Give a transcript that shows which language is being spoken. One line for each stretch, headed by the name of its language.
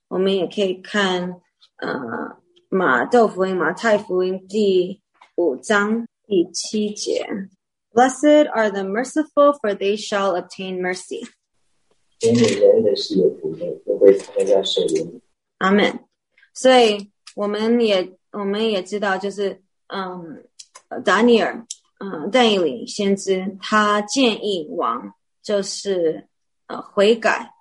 Chinese: 我们也可以看马窦福音，马太福音5:7。
English: Blessed are the merciful, for they shall obtain mercy.
Chinese: 怜悯人的是有福的，因为他们要受怜悯。
English: Amen。
Chinese: 所以我们也知道，就是达尼尔，但以理先知，他建议王就是悔改。